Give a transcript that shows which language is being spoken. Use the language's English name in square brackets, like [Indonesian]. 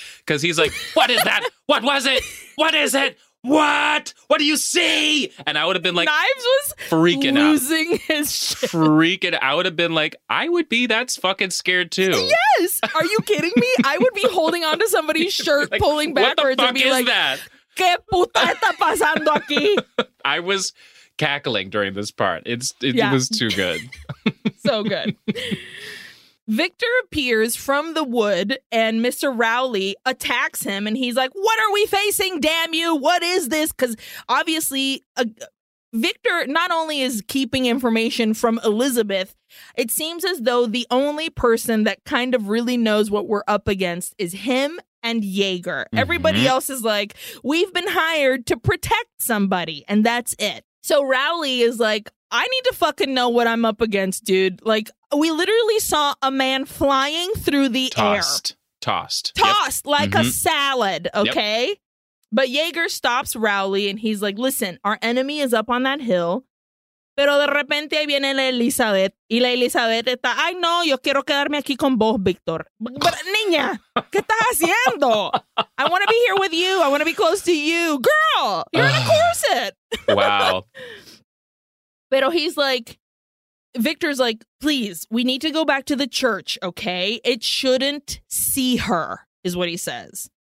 [English] Because he's like, what is that? What was it? What is it? What do you see? And I would have been like, Knives was freaking losing out. His shit. Freaking out. I would have been like, I would be that's fucking scared too. Yes. Are you kidding me? I would be holding onto somebody's shirt, like, pulling backwards and be like, that? [Spanish] ¿Qué puta está pasando aquí? [English] I was cackling during this part. It was too good. So good. Victor appears from the wood and Mr. Rowley attacks him and he's like, what are we facing? Damn you. What is this? Because obviously Victor not only is keeping information from Elizabeth, it seems as though the only person that kind of really knows what we're up against is him and Jaeger. Mm-hmm. Everybody else is like, we've been hired to protect somebody and that's it. So Rowley is like, I need to fucking know what I'm up against, dude. Like, we literally saw a man flying through the air. Tossed. Tossed like a salad, okay? Yep. But Jaeger stops Rowley and he's like, listen, our enemy is up on that hill. [Spanish] Pero de repente viene la Elizabeth y la Elizabeth está, ay no, yo quiero quedarme aquí con vos, Victor. [English] But, [Spanish] niña, ¿qué estás haciendo? [English] I want to be here with you. I want to be close to you. Girl, you're in a corset. Wow. [Spanish] Pero [English] he's like, Victor's like, please, we need to go back to the church, okay? It shouldn't see her, is what he says.